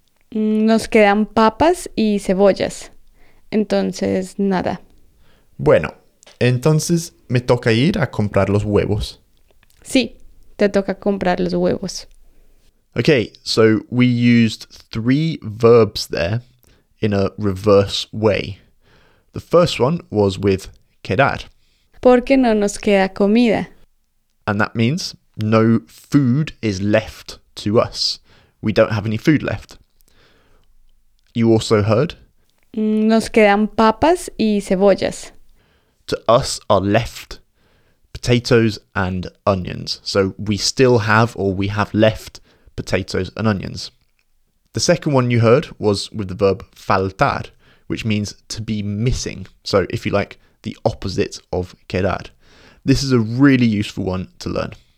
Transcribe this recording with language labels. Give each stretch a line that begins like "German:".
Spanish: Nos quedan papas y cebollas. Entonces, nada. Bueno, entonces me toca ir a comprar los huevos. Sí, te toca comprar los huevos.
English: Okay, so we used three verbs there in a reverse way. The first one was with quedar.
Spanish: Porque no nos queda comida.
English: And that means no food is left to us. We don't have any food left. You also heard?
Spanish: Nos quedan papas y cebollas.
English: To us are left potatoes and onions. So we still have, or we have left, potatoes and onions. The second one you heard was with the verb faltar, which means to be missing. So if you like, the opposite of quedar. This is a really useful one to learn.